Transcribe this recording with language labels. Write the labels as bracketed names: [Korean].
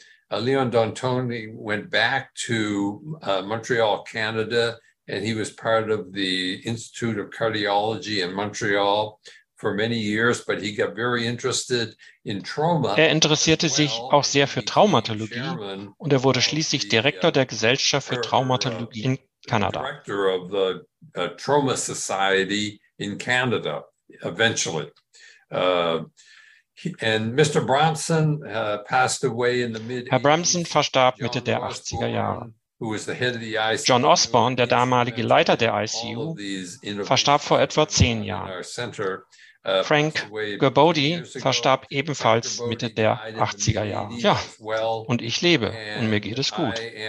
[English] Leon Dantigny went back to Montreal, Canada, and he was part of the Institute of Cardiology in Montreal for many years, but he got very interested in trauma. [German] Er interessierte sich auch sehr für Traumatologie und er wurde schließlich Direktor der Gesellschaft für Traumatologie in Kanada. [English] Director of the Trauma Society in Canada eventually. And Mr. Bramson passed away in the mid. [German] Herr Bramson verstarb Mitte der 80er Jahre. John Osborne, der damalige Leiter der ICU, verstarb vor etwa 10 Jahren. Frank Gobody verstarb ebenfalls Mitte der 80er Jahre. Ja, und ich lebe und mir geht es gut.